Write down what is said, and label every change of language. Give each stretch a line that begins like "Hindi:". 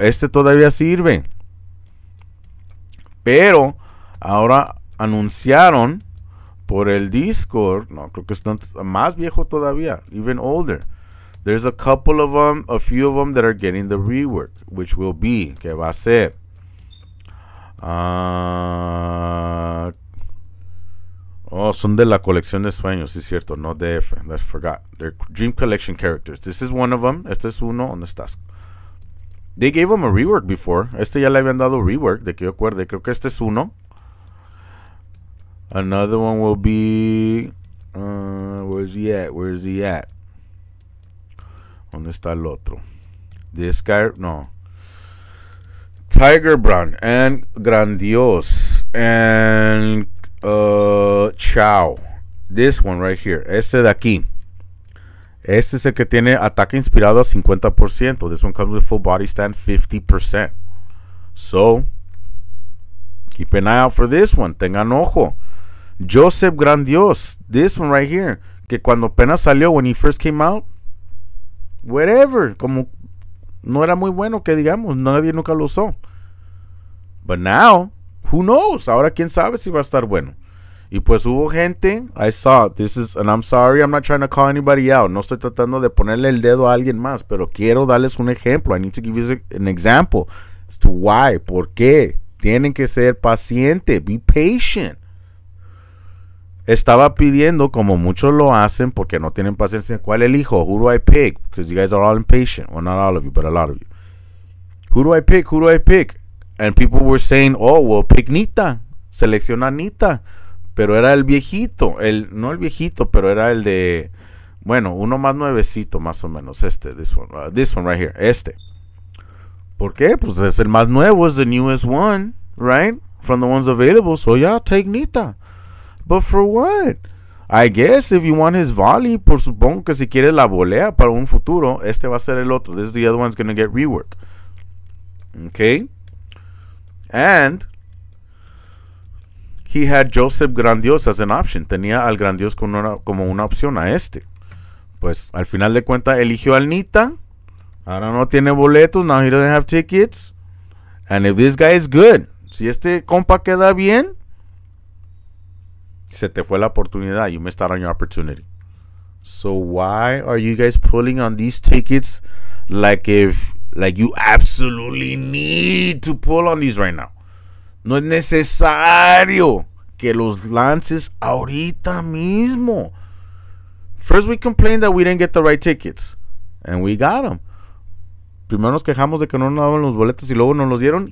Spanish: Este todavía sirve. Pero ahora anunciaron por el Discord. No, creo que están más viejo todavía.
English: Even older. There's a couple of them, a few of them that are getting the rework. Which will be,
Spanish: que va a ser. Son de la colección de sueños, sí, cierto, no DF,
English: I forgot. They're Dream Collection characters. This is one of them.
Spanish: Este es uno. ¿Dónde estás?
English: They gave him a rework before.
Spanish: Este ya le habían dado rework, de que yo acuerde. Creo que este es uno.
English: Another one will be. Where is he at?
Spanish: ¿Dónde está el otro?
English: This guy, no. Tiger Brown and Grandios and Chow. This one right here.
Spanish: Este de aquí. Este es el que tiene ataque inspirado a 50%.
English: This one comes with full body stand 50%. So, keep an eye out for this one.
Spanish: Tengan ojo.
English: Joseph Grandios. This one right here.
Spanish: Que cuando apenas salió,
English: when he first came out, whatever.
Spanish: Como no era muy bueno, que digamos, nadie nunca lo usó.
English: But now, who knows?
Spanish: Ahora quién sabe si va a estar bueno. Y pues hubo gente,
English: I saw, this is, and I'm sorry, I'm not trying to call anybody out.
Spanish: No estoy tratando de ponerle el dedo a alguien más, pero quiero darles un ejemplo.
English: I need to give you an example as to why,
Spanish: por qué. Tienen que ser paciente,
English: be patient.
Spanish: Estaba pidiendo, como muchos lo hacen, porque no tienen paciencia, ¿cuál elijo?
English: Who do I pick? Because you guys are all impatient. Well, not all of you, but a lot of you. Who do I pick? Who do I pick? And people were saying, oh, well, pick Nita.
Spanish: Selecciona Nita. Pero era el viejito, el de, bueno, uno más nuevecito, más o menos, este,
English: this one right here,
Spanish: este. ¿Por qué? Pues es el más nuevo, es
English: the newest one, right? From the ones available, so yeah, take Nita. But for what? I guess if you want his volley,
Spanish: por supongo que si quiere la volea para un futuro, este va a ser el otro.
English: This is the other one's gonna get reworked. Okay? And he had Joseph Grandios as an option.
Spanish: Tenía al Grandios como una opción a este. Pues al final de cuentas eligió al Nita. Ahora no tiene boletos.
English: Now he doesn't have tickets. And if this guy is good,
Spanish: si este compa queda bien, se te fue la oportunidad.
English: You missed out on your opportunity. So why are you guys pulling on these tickets like you absolutely need to pull on these right now?
Spanish: No es necesario que los lances ahorita mismo.
English: First we complained that we didn't get the right tickets. And we got them.
Spanish: Primero nos quejamos de que no nos daban los boletos y luego nos los dieron.